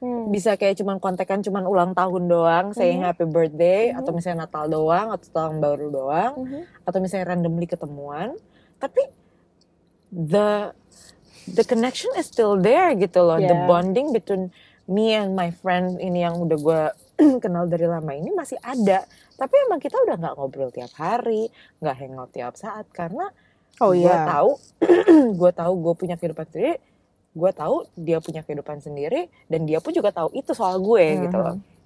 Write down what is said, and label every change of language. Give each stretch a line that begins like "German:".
Indonesian: Bisa kayak cuman kontekan cuman ulang tahun doang,
English: saying happy birthday,
Indonesian: atau misalnya Natal doang, atau tahun baru doang, atau misalnya randomly ketemuan.
English: Tapi the connection is still there gitu loh. The bonding between me and my friend
Indonesian: ini yang udah gue kenal dari lama ini masih ada. Tapi emang kita udah gak ngobrol tiap hari, gak hangout tiap saat, karena gue tahu gue punya kehidupan sendiri. Gue tahu dia punya kehidupan sendiri dan dia pun juga tahu itu soal gue gitu loh.